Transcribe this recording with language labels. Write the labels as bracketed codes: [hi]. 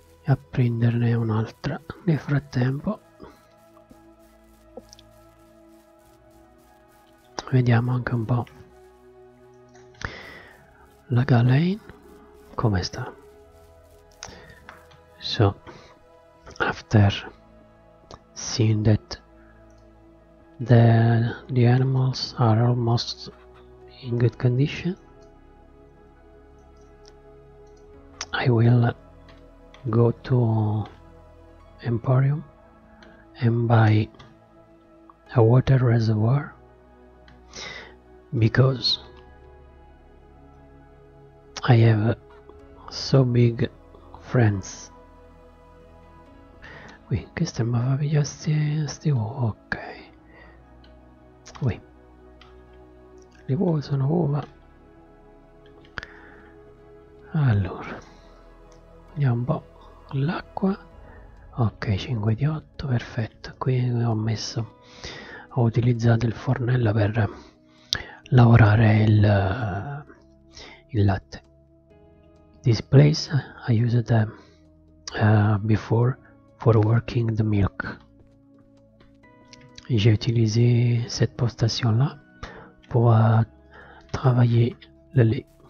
[it] a prenderne un'altra nel frattempo. Vediamo anche un po' la Galen come sta. [en] So, after seeing that the animals are almost in good condition, I will go to Emporium and buy a water reservoir, because I have so big friends. [it] Qui, questa mi fa pigliare sti uova, ok. Qui. Le uova sono uova. Allora. Vediamo un po' l'acqua. Ok, 5 di 8, perfetto. Qui ho messo, ho utilizzato il fornello per lavorare il latte. [en] This place I used before for working the milk. [fr] J'ai utilisé cette postation là pour travailler le lait.